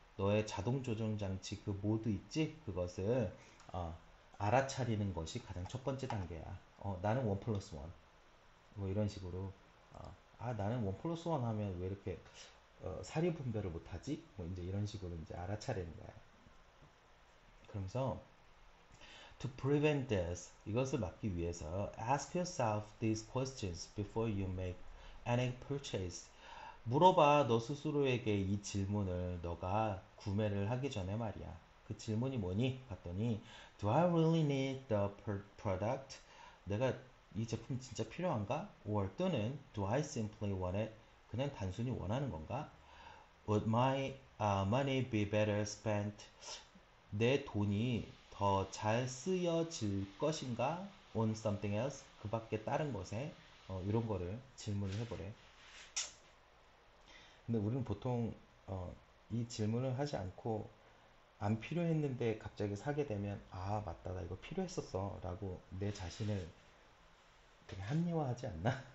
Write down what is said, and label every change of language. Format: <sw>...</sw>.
<ko>너의 자동 조정 장치 그 모드 있지? 그것을 알아차리는 것이 가장 첫 번째 단계야. 나는 원 플러스 원. 뭐 이런 식으로. 나는 원 플러스 원 하면 왜 이렇게 사리 분별을 못하지? 뭐 이제 이런 식으로 이제 알아차리는 거야. 그러면서</ko> <en>to prevent this,</en> <ko>이것을 막기 위해서</ko> <en>ask yourself these questions before you make any purchase.</en> <ko>물어봐, 너 스스로에게 이 질문을 너가 구매를 하기 전에 말이야. 그 질문이 뭐니? 봤더니</ko> <en>Do I really need the product?</en> <ko>내가 이 제품 진짜 필요한가?</ko> <en>Or</en> <ko>또는</ko> <en>Do I simply want it?</en> <ko>그냥 단순히 원하는 건가?</ko> <en>Would my money be better spent?</en> <ko>내 돈이 더잘 쓰여질 것인가?</ko> <en>On something else?</en> <ko>그 밖에 다른 것에? 이런 거를 질문을 해보래. 근데 우리는 보통 이 질문을 하지 않고 안 필요했는데 갑자기 사게 되면 아 맞다 나 이거 필요했었어 라고 내 자신을 되게 합리화하지 않나?</ko>